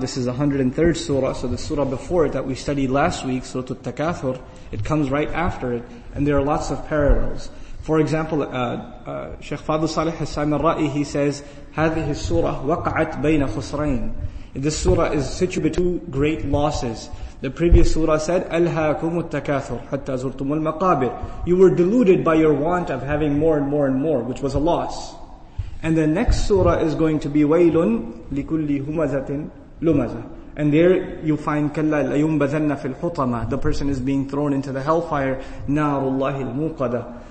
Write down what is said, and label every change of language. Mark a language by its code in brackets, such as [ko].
[en] This is the 103rd surah, so the surah before it that we studied last week, Surah Al-Takathur, it comes right after it, and there are lots of parallels. For example, Shaykh Fadl Salih Hassan al-Ra'i, he says, [ar] هذه السورة وقعت بين خسرين. [en] This surah is situated between two great losses. The previous surah said, [ar] أَلْهَاكُمُ التَّكَاثُرُ حَتَّى زُرْتُمُ الْمَقَابِرِ. [en] You were deluded by your want of having more and more and more, which was a loss. And the next surah is going to be [ar] وَيْلٌ لِكُلِّ هُمَزَةٍ لُمَزَةٍ. [en] And there you find [ar] كَلَّا لَيُنْبَذَنَّ فِي الْحُطَمَةِ. [en] The person is being thrown into the hellfire. [ar] نَارُ اللَّهِ الْمُوقَدَةِ.